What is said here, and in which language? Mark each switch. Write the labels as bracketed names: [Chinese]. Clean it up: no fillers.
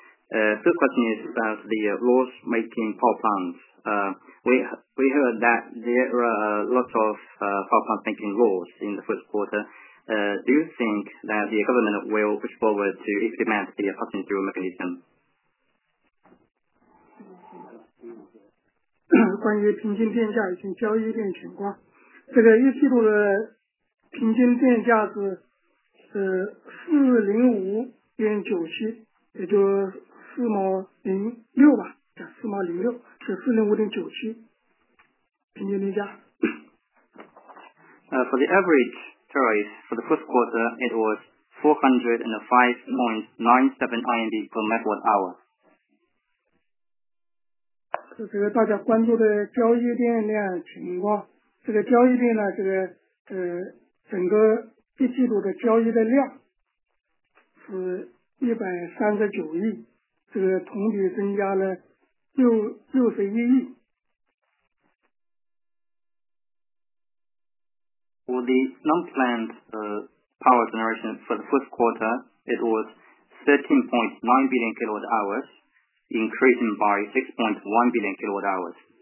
[English] Third question is about the loss-making power plants. We heard that there are a lot of power plant making laws in the first quarter. Do you think that the government will push forward to implement the passing through mechanism? [Chinese] 关于平均电价以及交易电情况，这个一季度的平均电价是405.97，也就是4.06吧。 4.06是405.97平均电价。 [English] For the average tariff for the first quarter, it was 405.97 RMB per megawatt hour. [Chinese] 和这个大家关注的交易链链情况。这个交易链呢，这个整个一季度的交易的量是139亿，这个同比增加了61亿。 [English] For the non-planned power generation for the first quarter, it was 13.9 billion kilowatt hours, increasing by 6.1 billion kilowatt hours.